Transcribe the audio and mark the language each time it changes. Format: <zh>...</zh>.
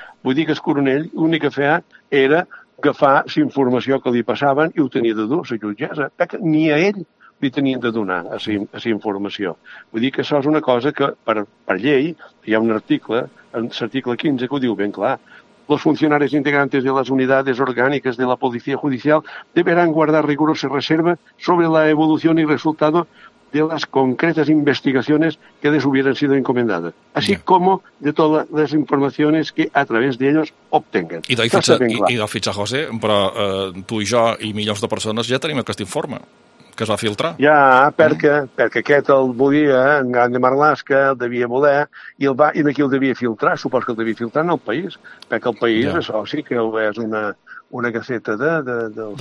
<ca>Vull dir que el coronell l'únic que feia era agafar la informació que li passaven i ho tenia de dur a la jutgessa, perquè ni a ell li tenien de donar a la informació. Vull dir que això és una cosa que per llei, hi ha un article, l'article 15, que ho diu ben clar.</ca> <es>Los funcionarios integrantes de las unidades orgánicas de la policía judicial deberán guardar rigurosa reserva sobre la evolución y resultado de las concretas investigaciones que les hubieran sido encomendadas, así como de todas las informaciones que a través de ellos obtengan.</es> <ca>I de fitxa, José, però tu i jo i milions de persones ja tenim aquest informe que es va filtrar. Ja, perquè aquest el volia, en Grande Marlaska, el devia voler, i aquí el devia filtrar, suposo que el devia filtrar en el país, perquè el país, això sí que és una caseta del</ca>